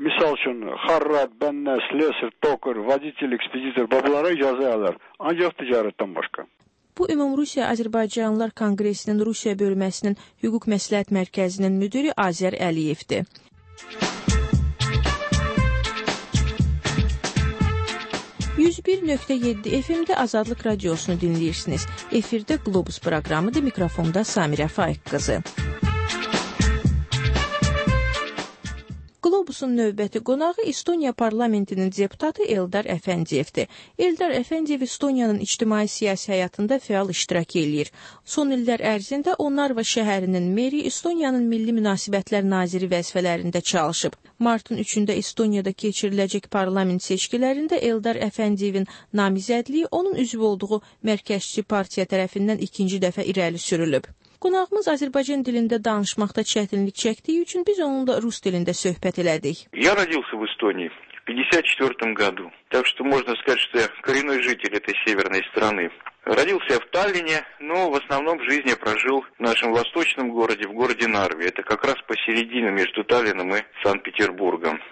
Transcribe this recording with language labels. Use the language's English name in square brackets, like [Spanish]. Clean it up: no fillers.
[Azerbaijani] Misal üçün, xarrat, bənnə, slesir, tokır, vaditil, ekspeditor, babalara icazə alır, ancaq ticarətdən başqa. Bu, Ümumrusiya Azərbaycanlılar Konqresinin Rusiya bölməsinin Hüquq Məsləhət Mərkəzinin müdiri Azər Əliyevdir. ...101.7 FM'de Azadlık Radyosunu dinliyorsunuz. Efirde Globus programı da mikrofonda Samira Faik kızı. Globus'un növbəti qonağı İstoniya Parlamentinin deputatı Eldar Əfəndiyevdir. Eldar Əfəndiyev İstoniyanın ictimai-siyasi həyatında fəal iştirak edir. Son illər ərzində Narva şəhərinin meri İstoniyanın Milli Münasibətlər Naziri vəzifələrində çalışıb. Martın 3-də İstoniyada keçiriləcək parlament seçkilərində Eldar Əfəndiyevin namizədliyi onun üzv olduğu Mərkəzçi Partiya tərəfindən ikinci dəfə irəli sürülüb. Qonağımız Azərbaycan dilində danışmaqda çətinlik çəkdiyi üçün biz onunla rus dilində söhbət elədik. [Russian] Я родился в Эстонии в 54 году. Так что можно сказать, что я коренной житель этой северной страны. Родился я в Таллине, но в основном жизнь я прожил в нашем восточном городе, в городе Нарве. Это как раз посередине между Таллином и Санкт-Петербургом.